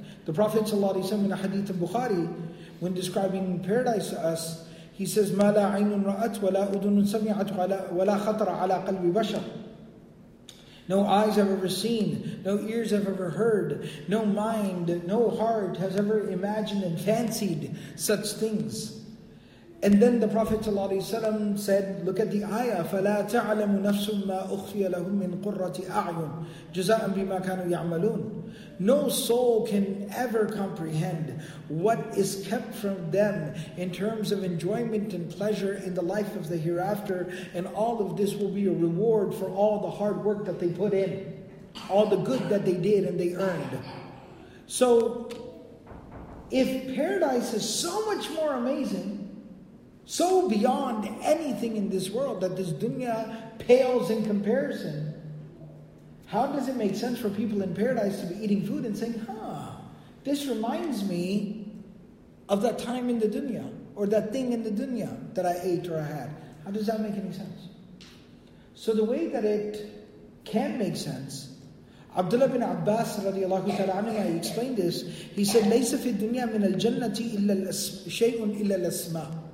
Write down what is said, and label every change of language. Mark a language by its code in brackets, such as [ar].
[en] The Prophet ﷺ in a hadith of Bukhari, when describing paradise to us, he says, [ar] مَا لَا عَيْنٌ رَأَتْ وَلَا أُذُنٌ سَمِعَتْ وَلَا خَطْرَ عَلَىٰ قَلْبِ بَشَرٍ. [en] No eyes have ever seen, no ears have ever heard, no mind, no heart has ever imagined and fancied such things. And then the Prophet ﷺ said, look at the ayah, [ar] فَلَا تَعْلَمُ نَفْسٌ مَا أُخْفِيَ لَهُمْ مِنْ قُرَّةِ أَعْيُنٍ جُزَاءً بِمَا كَانُوا يَعْمَلُونَ. [en] No soul can ever comprehend what is kept from them in terms of enjoyment and pleasure in the life of the hereafter. And all of this will be a reward for all the hard work that they put in, all the good that they did and they earned. So, if paradise is so much more amazing, so beyond anything in this world that this dunya pales in comparison, how does it make sense for people in paradise to be eating food and saying, huh, this reminds me of that time in the dunya, or that thing in the dunya that I ate or I had? How does that make any sense? So the way that it can make sense, Abdullah bin Abbas radiallahu ta'ala anhu, he explained this. He said, [ar] لَيْسَ فِي الدُّنْيَا مِنَ الْجَنَّةِ شَيْءٌ إِلَّا الْأَسْمَى.